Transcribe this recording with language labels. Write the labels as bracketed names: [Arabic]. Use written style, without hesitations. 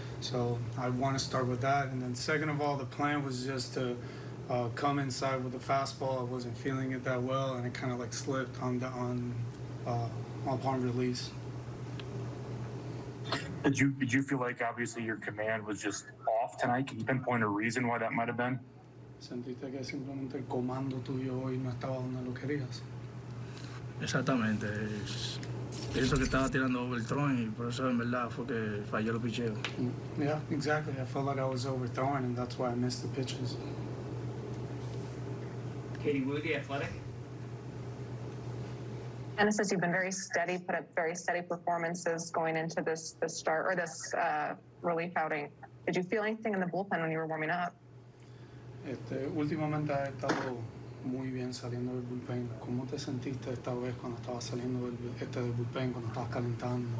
[English] So I want to start with that. And then second of all, the plan was just to come inside with a fastball. I wasn't feeling it that well, and it kind of like slipped upon release. Did you feel like obviously your command was just off tonight? Can you pinpoint a reason why that might have been? [Spanish] Sentiste que simplemente el comando tuyo hoy no estaba donde lo querías. Exactamente. Pienso que estaba tirando overthrowing y por eso en verdad fue que falló el picheo. [English] Yeah, exactly. I felt like I was overthrowing and that's why I missed the pitches. Katie Woody, Athletic. Dennis says you've been very steady, put up very steady performances going into this start or this relief outing. Did you feel anything in the bullpen when you were warming up? [Spanish] Últimamente ha estado muy bien saliendo del bullpen. ¿Cómo te sentiste esta vez cuando estabas saliendo del bullpen, cuando estabas calentando?